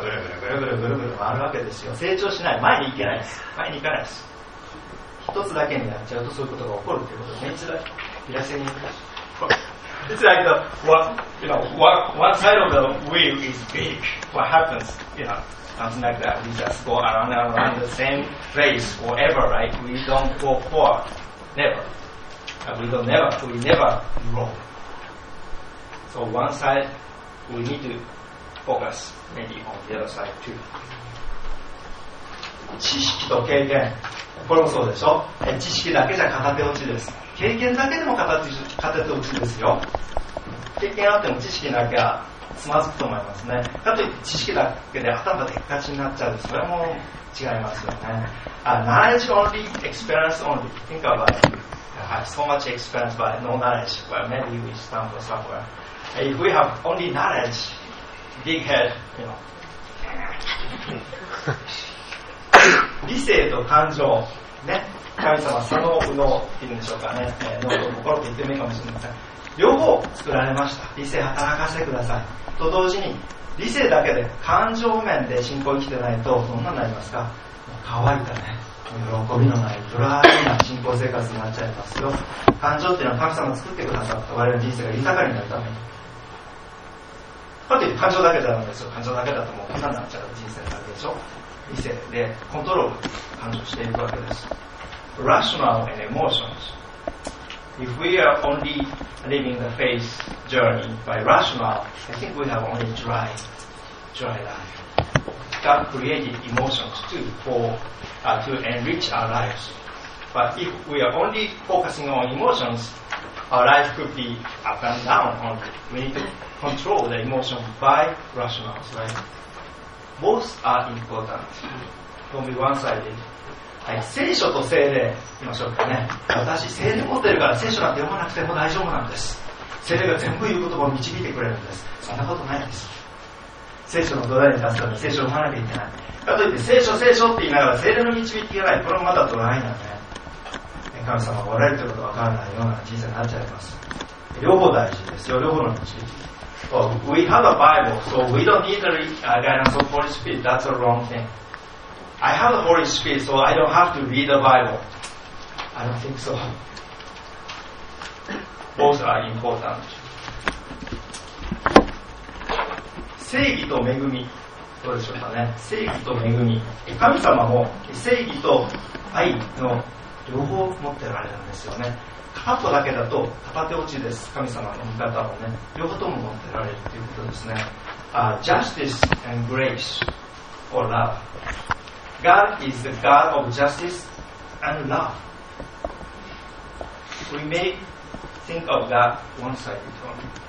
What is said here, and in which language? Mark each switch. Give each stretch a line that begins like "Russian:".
Japanese: ぐるぐるぐるぐる回るわけですよ。成長しない。前に行けないです。前に行かないです。人一つだけになっちゃうとそういうことが起こるってことね。いらっしゃいませ。
English: It's like the, you know, one side of the wheel is big. What happens, you know, something like that. We just go around and around the same place forever, right? We don't go forward. Never. We never roll. So one side, we need to focus maybe on the other side too.
Japanese: 知識と経験。これもそうでしょ。知識だけじゃ片手落ちです。経験だけでも片手落ちですよ。経験あっても知識なきゃつまずくと思いますね。かといって知識だけで頭がでっかちになっちゃう、それも違いますよね。
English: Knowledge only, experience only. Think about it. I have so much experience, but no knowledge. Well, maybe we stumble somewhere. If we have only knowledge, big head, you know.
Japanese: 理性と感情、ね、神様、左脳、右脳っていうんでしょうかね、脳と心って言ってもいいかもしれません。両方作られました。理性働かせてください。と同時に、理性だけで感情面で信仰生きてないと、どんなになりますか？乾いたね、喜びのない、ドライな信仰生活になっちゃいますよ。感情っていうのは神様が作ってくださった、我々の人生が豊かになるために。かといって感情だけじゃないんですよ。感情だけだともう、こんなになっちゃう人生になるでしょ。理性でコントロール感情していくわけです。
English: Rational and emotions. If we are only living the faith journey by rational, I think we have only dry life. God created emotions too to enrich our lives. But if we are only focusing on emotions, our life could be up and down. We need to control the emotion by rational, right? Both are important. Don't be one-sided.
Japanese: はい、聖書と聖霊言いましょうかね。私聖霊持ってるから聖書なんて読まなくても大丈夫なんです。聖霊が全部言う言葉を導いてくれるんです。そんなことないです。聖書の土台に立つために聖書を読まなきゃいけない。かといって聖書聖書って言いながら聖霊の導きがない、これもまだ土台なんで、ね、神様がおられるということが分からないような人生になっちゃいます。両方大事ですよ、両方の導き。
English: Well, we have a Bible, so we don't need the guidance of Holy Spirit. That's a wrong thing. I have the Holy Spirit, so I don't have to read the Bible. I don't think so. Both are important.
Japanese: 正義と恵み、どうでしょうかね。正義と恵み、神様も正義と愛の両方持っておられるんですよね。片方だけだと片手落ちです。神様の味方をね、両方とも持ってられるということですね。
English: Justice and grace or love. God is the God of justice and love. We may think of that one side only.